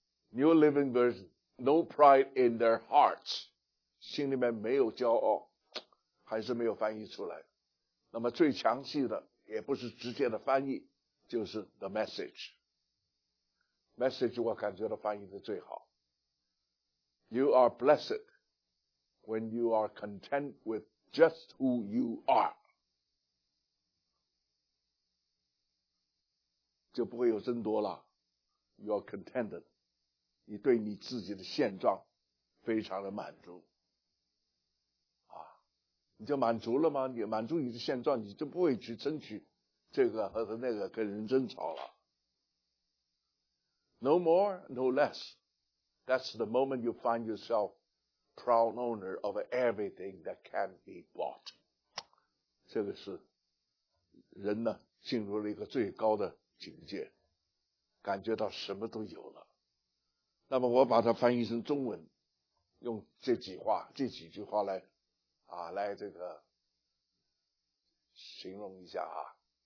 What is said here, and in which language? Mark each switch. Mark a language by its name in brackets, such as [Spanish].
[English] New Living Version, no pride in their hearts. [Chinese] 心里面没有骄傲，还是没有翻译出来。那么最详细的，也不是直接的翻译，就是 The Message。 Message 我感觉到翻译的最好。 [English] You are blessed when you are content with just who you are. [Chinese] 就不会有争夺了。 [English] You are contented. [Chinese] 你对你自己的现状非常的满足。啊，你就满足了吗？你满足你的现状，你就不会去争取这个和那个跟人争吵了。 [English] No more, no less. That's the moment you find yourself proud owner of everything that can be bought. [Chinese] 这个是人呢进入了一个最高的境界，感觉到什么都有了。那么我把它翻译成中文，用这几话这几句话来啊来这个形容一下啊。